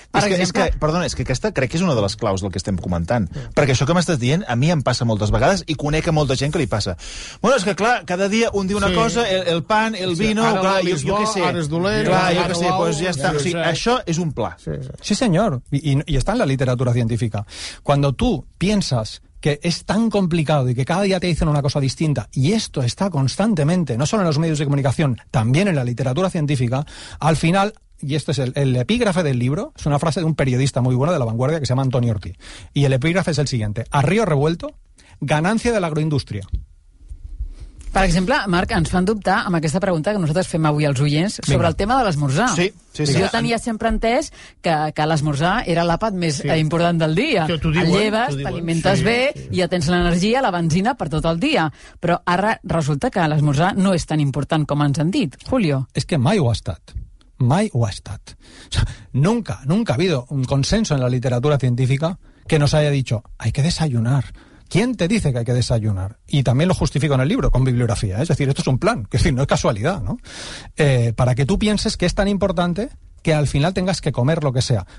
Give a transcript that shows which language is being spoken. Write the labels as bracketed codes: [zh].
[ca] És que aquesta crec que és una de les claus del que estem comentant. Sí. Perquè això que m'estàs dient a mi em passa moltes vegades i conec a molta gent que li passa. Bueno, és que clar, cada dia un diu una cosa, [es] el pan, el vino, [ca] sí, clar, jo què sé. Ara és dolent. Clar, jo què sé, doncs pues ja està. Sí, o sigui, això és un pla. Sí, senyor. I està en la literatura científica. [es] Cuando tú piensas que es tan complicado y que cada día te dicen una cosa distinta, y esto está constantemente, no solo en los medios de comunicación, también en la literatura científica, al final, y esto es el epígrafe del libro, es una frase de un periodista muy bueno de La Vanguardia que se llama Antonio Ortiz, y el epígrafe es el siguiente: a río revuelto, ganancia de la agroindustria. [ca] Per exemple, Marc, ens fan dubtar amb aquesta pregunta que nosaltres fem avui als oients sobre el tema de l'esmorzar. Sí, sí, sí. Jo tenia sempre entès que l'esmorzar era l'àpat més important del dia. Que diuen, el lleves, t'alimentes bé i ja tens l'energia, la benzina per tot el dia. Però ara resulta que l'esmorzar no és tan important com ens han dit. Julio. És que mai ho ha estat. Mai ho ha estat. [es] O sea, nunca ha habido un consenso en la literatura científica que nos haya dicho hay que desayunar. ¿Quién te dice que hay que desayunar? Y también lo justifico en el libro, con bibliografía. Es decir, esto es un plan, es decir, no es casualidad, ¿no? Para que tú pienses que es tan importante que al final tengas que comer lo que sea.